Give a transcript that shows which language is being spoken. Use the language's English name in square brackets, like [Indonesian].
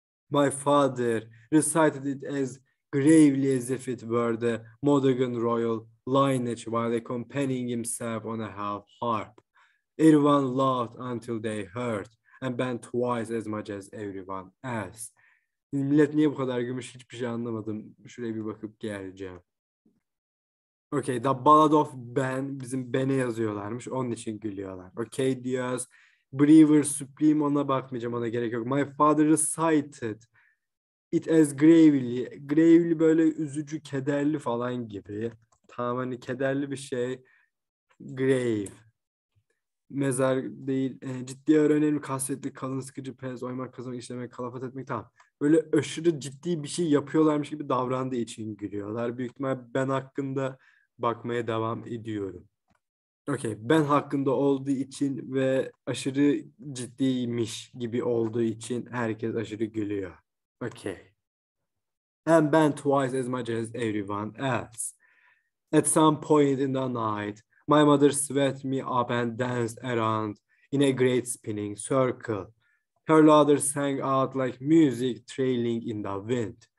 [English] My father recited it as gravely as if it were the Modogan royal lineage while accompanying himself on a half harp. Everyone laughed until they heard, and Ben twice as much as everyone else. [Turkish] Millet niye bu kadar gülmüş hiçbir şey anlamadım. Şuraya bir bakıp geleceğim. Okay, The Ballad of Ben, bizim Ben'e yazıyorlarmış, onun için gülüyorlar. Okay, diyoruz. [English] Brewer Supreme, [Turkish] ona bakmayacağım, ona gerek yok. [English] My father recited it as gravely. [Turkish] Gravely böyle üzücü, kederli falan gibi. Tamam, hani kederli bir şey. Grave. Mezar değil. Ciddi öğrenelim, kasvetli, kalın, sıkıcı, pez, oymak, kazanmak, işlemek, kalafat etmek, tamam. Böyle aşırı ciddi bir şey yapıyorlarmış gibi davrandığı için gülüyorlar. Büyük ihtimal Ben hakkında bakmaya devam ediyorum. Okay, Ben hakkında olduğu için ve aşırı ciddiymiş gibi olduğu için herkes aşırı gülüyor. Okay. [English] And Ben twice as much as everyone else. At some point in the night, my mother swept me up and danced around in a great spinning circle. Her ladder sang out like music trailing in the wind.